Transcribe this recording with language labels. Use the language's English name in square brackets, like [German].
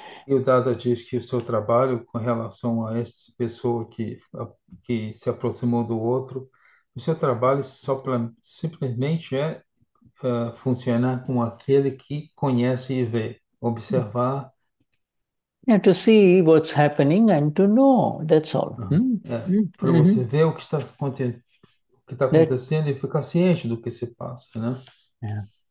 [Portuguese] E o Dada diz que o seu trabalho com relação a essa pessoa que se aproximou do outro, o seu trabalho simplesmente é funcionar com aquele que conhece e vê, observar. [English] Yeah, to see what's happening and to know, that's all. [Portuguese] Para você ver o que está acontecendo e ficar ciente do que se passa, né?